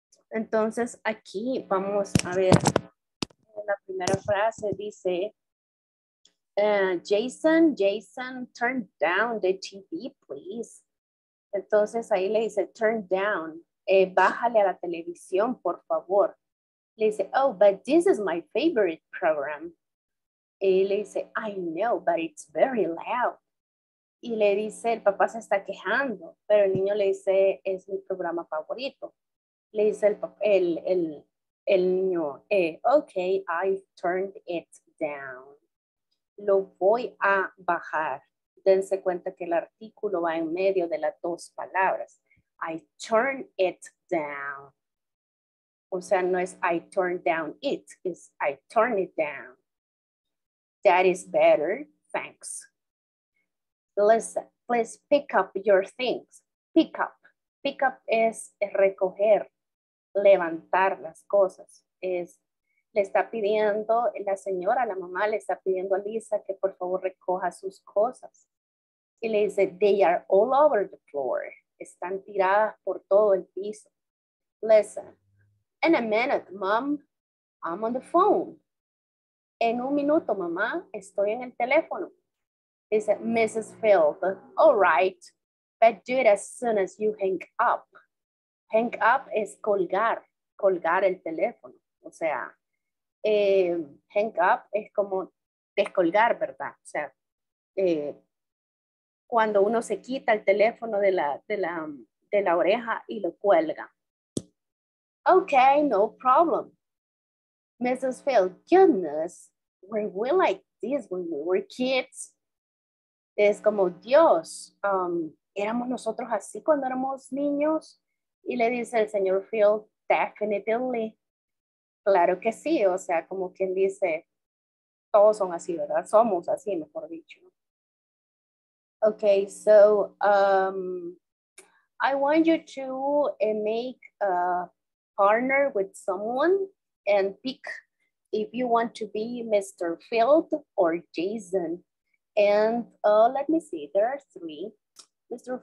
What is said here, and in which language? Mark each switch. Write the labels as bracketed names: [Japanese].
[Spanish] Entonces aquí vamos a ver, la primera frase dice, Jason, Jason, [English] turn down the TV, please. [Spanish] Entonces ahí le dice, [English] turn down, [Spanish] bájale a la televisión, por favor. Le dice, [English] oh, but this is my favorite program. [Spanish] Y le dice, [English] I know, but it's very loud. [Spanish] Y le dice, el papá se está quejando, pero el niño le dice, es mi programa favorito. Le dice el niño, [English] okay, I've turned it down. [Spanish] Lo voy a bajar. Dense cuenta que el artículo va en medio de las dos palabras. [English] I turn it down. [Spanish] O sea, no es [English] I turn down it, es I turn it down. That is better, thanks. Listen, please pick up your things. Pick up. Pick up [Spanish] es recoger, levantar las cosas. Es, le está pidiendo, la señora, la mamá, le está pidiendo a Lisa que por favor recoja sus cosas. Y le dice, [English] they are all over the floor. [Spanish] Están tiradas por todo el piso. [English] Listen, in a minute, mom, I'm on the phone. [Spanish] En un minuto, mamá, estoy en el teléfono. Dice, Mrs. [English] Field, all right, but do it as soon as you hang up. [Spanish] Hang up es colgar, colgar el teléfono. O sea, hang up es como descolgar, ¿verdad? O sea, cuando uno se quita el teléfono de la oreja y lo cuelga. [English] Okay, no problem. Mrs. Field, goodness, were we like this when we were kids? [Spanish] Es como, Dios, ¿éramos nosotros así cuando éramos niños? Y le dice el señor Field, [English] definitely. [Spanish] Claro que sí, o sea, como quien dice, todos son así, ¿verdad? Somos así, mejor dicho. [English] Okay, so I want you to make a partner with someone and pick if you want to be Mr. Field or Jason. And let me see, there are three, Mr.